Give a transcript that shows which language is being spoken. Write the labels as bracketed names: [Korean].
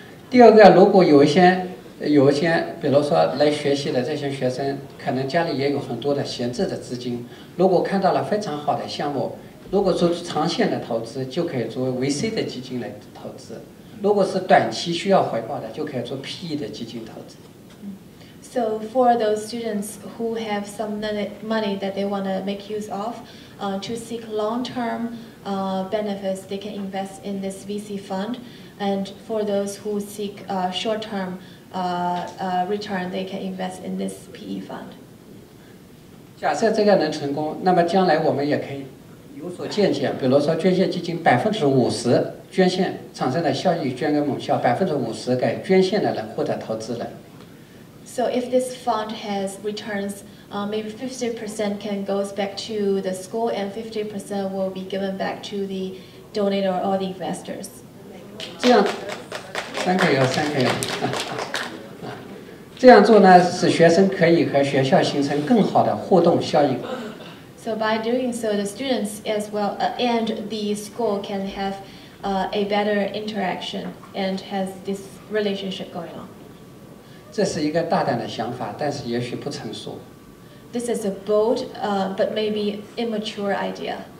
[Chinese] 第二个，如果有一些，比如说来学习的这些学生，可能家里也有很多的闲置的资金，如果看到了非常好的项目。如果做长线的投资，就可以做 VC 的基金来投资；如果是短期需要回报的，就可以做 PE 的基金投资。 [English] So for those students who have some money that they want to make use of, to seek long-term benefits, they can invest in this VC fund. And for those who seek short-term return, they can invest in this PE fund. [Chinese] 假设这个能成功，那么将来我们也可以。有所借鉴，比如说捐献基金50%捐献产生的效益捐给母校，50%给捐献的人或者投资人。 [English] So if this fund has returns, maybe 50% can goes back to the school and 50% will be given back to the donor or the investors. [Chinese] 这样，三个月。这样做呢，使学生可以和学校形成更好的互动效应。 [English] So by doing so, the students as well and the school can have a better interaction and has this relationship going on. [Chinese] 这是一个大胆的想法，但是也许不成熟。 [English] This is a bold but maybe immature idea.